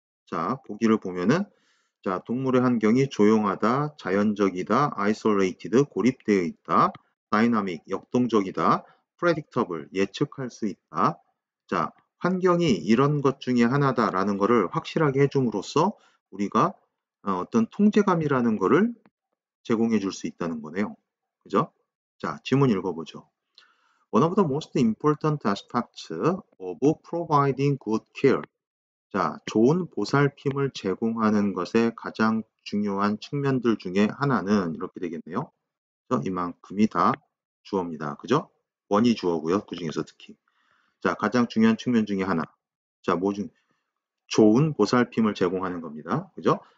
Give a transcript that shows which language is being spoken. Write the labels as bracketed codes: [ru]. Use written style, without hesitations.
[ko] 자, 보기를 보면은 자, 동물의 환경이 조용하다, 자연적이다, isolated, 고립되어 있다, dynamic, 역동적이다, predictable, 예측할 수 있다. 자, 환경이 이런 것 중에 하나다라는 것을 확실하게 해줌으로써 우리가 어떤 통제감이라는 것을 제공해 줄수 있다는 거네요. 그죠? 자, 지문 읽어보죠. [en] One of the most important aspects of providing good care. [ko] 자, 좋은 보살핌을 제공하는 것의 가장 중요한 측면들 중에 하나는 이렇게 되겠네요. 이만큼이다 주어입니다. 그죠? 원이 주어고요. 그 중에서 특히. 자, 가장 중요한 측면 중에 하나. 자, 뭐 중? 좋은 보살핌을 제공하는 겁니다. 그죠?